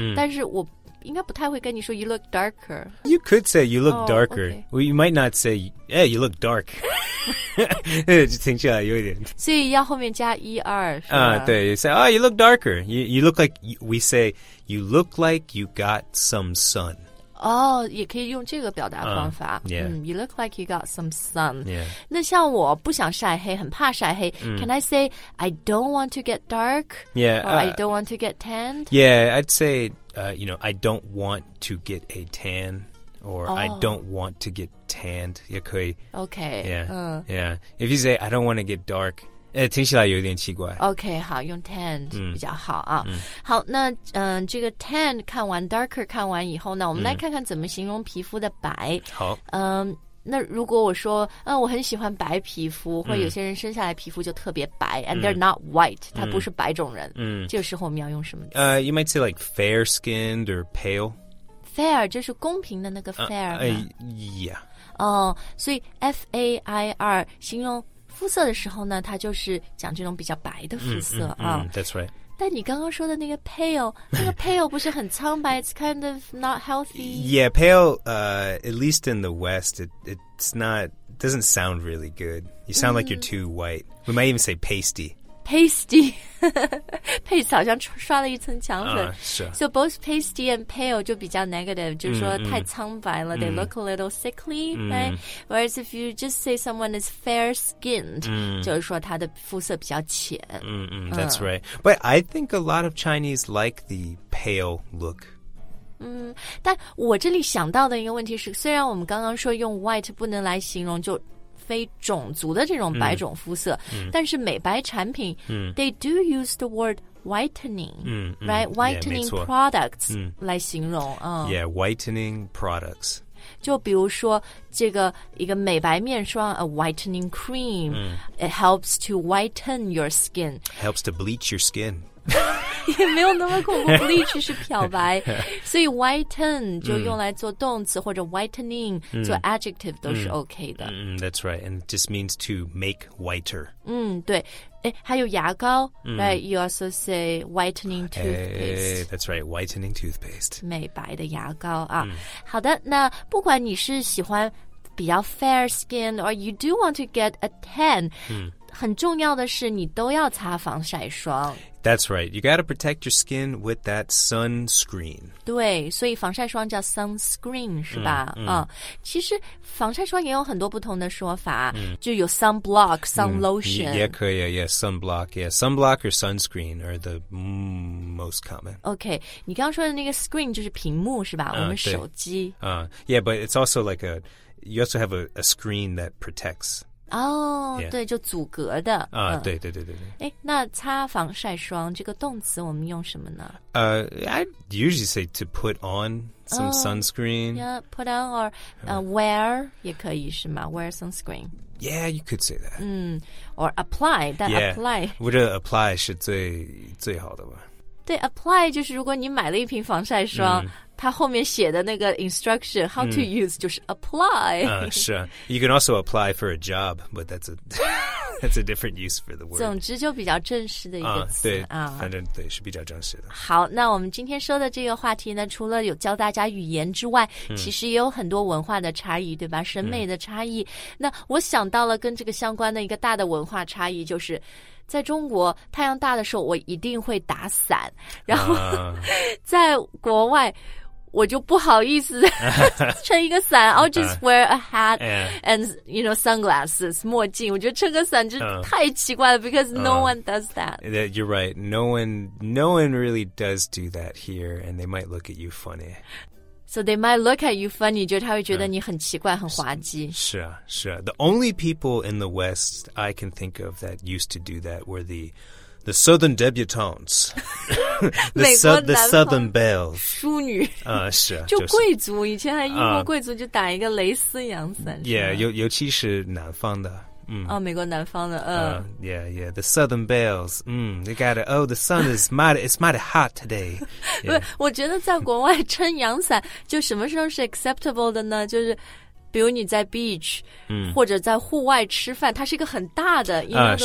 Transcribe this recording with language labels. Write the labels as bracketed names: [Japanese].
[Chinese] 但是我应该不太会跟你说 [English] you look darker. You could say you look darker. Okay. Well, you might not say, yeah, you look dark. [Chinese] 听起来有一点。所以要后面加 er, 是吧? [English] 对, you say, oh, you look darker. You look like, we say, you look like you got some sun. [Chinese] 也可以用这个表达方法。 [English] Yeah. You look like you got some sun. Yeah. [Chinese] 那像我不想晒黑，很怕晒黑。 [English] Can I say I don't want to get dark? Yeah. Or I don't want to get tanned? Yeah, I'd say, you know, I don't want to get a tan. Or I don't want to get tanned. [Chinese] 也可以。 [English] Okay. Yeah. Yeah. If you say I don't want to get dark. [Chinese] 听起来有点奇怪。 OK, 好用 tanned 比较好啊。好那这个 tanned 看完 darker 看完以后呢我们来看看怎么形容皮肤的白。好。那如果我说我很喜欢白皮肤或有些人生下来皮肤就特别白 [English] and they're not white, [Chinese] 他不是白种人。这个时候我们要用什么 [English] You might say like fair skinned or pale. [Chinese] Fair, 就是公平的那个 fair. [English] Yeah. [Chinese] 所以 F-A-I-R, 形容肤色的时候呢它就是讲这种比较白的肤色啊。 [English] That's right. [Chinese] 但你刚刚说的那个 pale, 那个 pale 不是很苍白 [English] it's kind of not healthy. Yeah, pale, at least in the West, doesn't sound really good. You sound like you're too white. We might even say pasty. Pasty. [Chinese] Paste 好像刷了一层墙粉。 [English] So both pasty and pale [Chinese] 就比较 [English] negative, [Chinese] 就是说太苍白了 [English] they look a little sickly, right? Whereas if you just say someone is fair-skinned, [Chinese] 就是说他的肤色比较浅。 [English] That's right. But I think a lot of Chinese like the pale look. [Chinese] 但我这里想到的一个问题是虽然我们刚刚说用 white 不能来形容就非种族的这种白种肤色但是美白产品 [English] they do use the word whitening right? Whitening yeah, [Chinese] products 来形容 [English] Yeah, whitening products [Chinese] 就比如说这个一个美白面霜 [English] a whitening cream it helps to whiten your skin helps to bleach your skin [Chinese] 也没有那么恐怖 bleach 是漂白所以 whiten 就用来做动词或者 whitening 做 adjective 都是 OK 的 [English] That's right and just means to make whiter [Chinese] 对还有牙膏 [English] right you also say whitening toothpaste that's right whitening toothpaste [Chinese] 美白的牙膏啊好的那不管你是喜欢比较 fair skin [English] or you do want to get a tan [Chinese] 很重要的是你都要擦防晒霜。 [English] That's right. You got to protect your skin with that sunscreen. [Chinese] 对，所以防晒霜叫 sunscreen, 是吧？嗯、mm, mm. 其实防晒霜也有很多不同的说法、mm. 就有 sunblock, sunlotion.、 [English] Mm, 也可以 yeah, sunblock, yeah. Sunblock or sunscreen are the most common. [Chinese] Okay, 你刚刚说的那个 screen 就是屏幕是吧、我们手机。 [English] Yeah, but it's also like you also have a screen that protects... [Chinese] 哦、 [English] oh, yeah. [Chinese] 对就阻隔的。对对对对。诶那擦防晒霜这个动词我们用什么呢 [English] I usually say to put on some sunscreen. Yeah, put on or wear [Chinese] 也可以是吗 [English] wear sunscreen. Yeah, you could say that. Or apply, that yeah, apply. [Chinese] 我觉得 apply 是最好的吧。对 apply 就是如果你买了一瓶防晒霜、mm. 它后面写的那个 instruction [English] how to use、 [Chinese] 嗯、就是 apply、是啊 [English] you can also apply for a job but that's a different use for the word [Chinese] 总之就比较正式的一个词、对、啊、反正对是比较正式的好那我们今天说的这个话题呢除了有教大家语言之外、其实也有很多文化的差异对吧审美的差异、那我想到了跟这个相关的一个大的文化差异就是在中国太阳大的时候我一定会打伞然后、在国外我就不好意思撑一个伞 [English] I'll just wear a hat and you know [Chinese] sunglasses 墨镜我觉得撑个伞就太奇怪了 [English] because no one does that you're right no one really does do that here and they might look at you funny so they might look at you funny [Chinese] 就他会觉得你很奇怪很滑稽是啊 [English] the only people in the west I can think of that used to do that were the Southern debutantes, the Southern belles, [Chinese] 淑女啊、是啊就贵族以前还英国贵族就打一个蕾丝洋伞尤其是南方的美国南方的 [English] yeah the Southern belles, they gotta oh the sun is mighty it's mighty hot today、 [Chinese] 我觉得在国外撑洋伞就什么时候是 acceptable 的呢就是比如你在 beach、或者在户外吃饭它是一个很大的因为